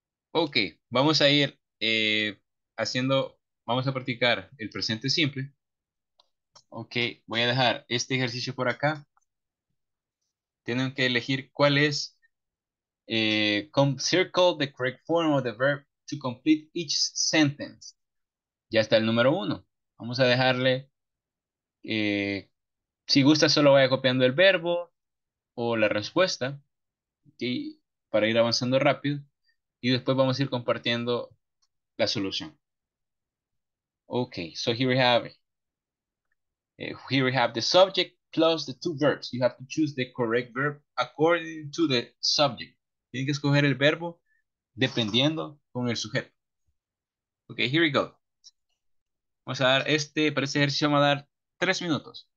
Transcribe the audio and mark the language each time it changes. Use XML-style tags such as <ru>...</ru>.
<es>Okay. Vamos a ir haciendo. Vamos a practicar el presente simple. Ok, voy a dejar este ejercicio por acá. Tienen que elegir cuál es.</es> <en>Circle the correct form of the verb to complete each sentence.</en> <es>Ya está el número uno. Vamos a dejarle. Si gusta, solo vaya copiando el verbo o la respuesta. Okay, para ir avanzando rápido. Y después vamos a ir compartiendo la solución.</es> <en>Okay, so here we have the subject plus the two verbs. You have to choose the correct verb according to the subject.</en> <es>Tienes que escoger el verbo dependiendo con el sujeto.</es> <en>Okay, here we go.</en> <es>Vamos a dar para este ejercicio vamos a dar 3 minutos.</es>